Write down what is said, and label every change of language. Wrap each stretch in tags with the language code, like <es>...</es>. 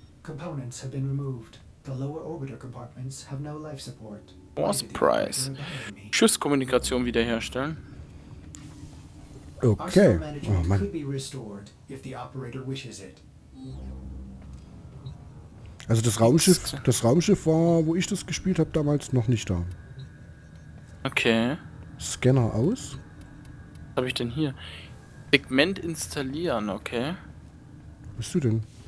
<en>Components have been removed. The lower orbiter compartments have no life support.</en> <de>Force-Preis. Schiffskommunikation wiederherstellen. Okay. Oh, man.</de> <en>Could be restored if the operator wishes it.</en> <de>Also das Raumschiff war, wo ich das gespielt habe, damals noch nicht da. Okay. Scanner aus. Was habe ich denn hier? Segment installieren, okay. Wo bist du denn?</de>